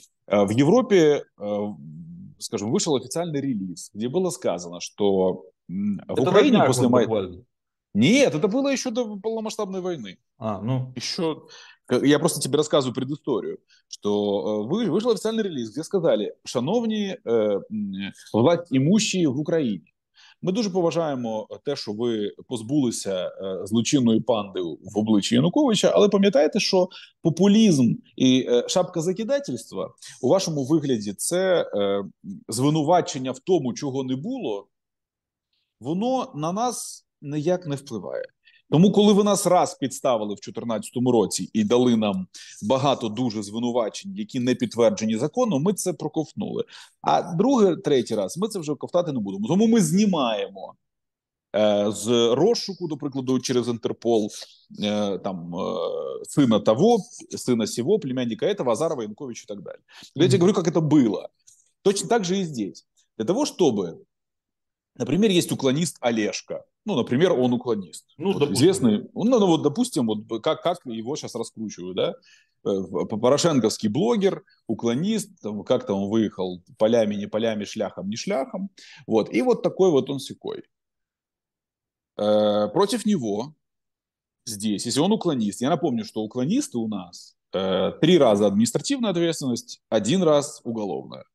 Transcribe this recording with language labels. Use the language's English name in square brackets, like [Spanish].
[Russian] В Европе, скажем, вышел официальный релиз, где было сказано, что в это Украине так, после Майдана... Нет, это было еще до полномасштабной войны. Еще... Я просто тебе рассказываю предысторию, что вышел официальный релиз, где сказали, шановные власть имущие в Украине, [Ukrainian] Ми дуже поважаємо те, що ви позбулися злочинної панди в обличчі Януковича, але пам'ятайте, що популізм і шапка закидательства у вашому вигляді – це звинувачення в тому, чого не було, воно на нас ніяк не впливає. Тому, коли ви нас раз підставили в 2014 році і дали нам багато дуже звинувачень, які не підтверджені законом, ми це проковтнули. А другий, третій раз ми це вже ковтати не будемо. Тому ми знімаємо з розшуку, до прикладу, через Інтерпол там сина того, сина сього, [Russian] племянника этого, [Ukrainian] Азарова, Януковича і так далі. Mm-hmm. Я говорю, як це було. [Russian] Точно так же і здесь. [Ukrainian] Для того, щоб, наприклад, є уклоніст Олешка. [Russian] Ну, например, он уклонист. Ну, вот известный. Ну, вот, допустим, вот как его сейчас раскручивают, да? Порошенковский блогер, уклонист, там, как там он выехал, полями, не полями, шляхом, не шляхом. Вот. И вот такой вот он сякой. Против него здесь, если он уклонист, я напомню, что уклонисты у нас три раза административная ответственность, один раз уголовная.